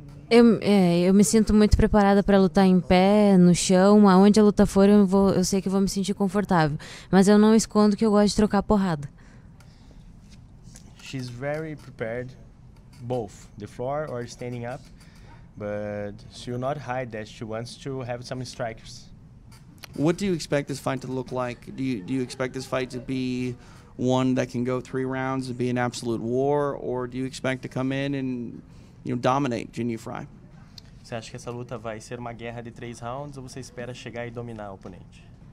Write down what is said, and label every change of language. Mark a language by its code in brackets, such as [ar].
[pt] Eu me sinto muito preparada para lutar em pé, no chão. Aonde a luta for, eu sei que vou me sentir confortável. Mas eu não escondo que eu gosto de trocar porrada. [en] She's very prepared, both the floor or standing up, but she will not hide that she wants to have some strikers. What do you expect this fight to look like? Do you expect this fight to be one that can go three rounds and be an absolute war, or do you expect to come in and, you know, dominate Jinh Frey? [pt] Você acha que essa luta vai ser uma guerra de três rounds ou você espera chegar e dominar o oponente?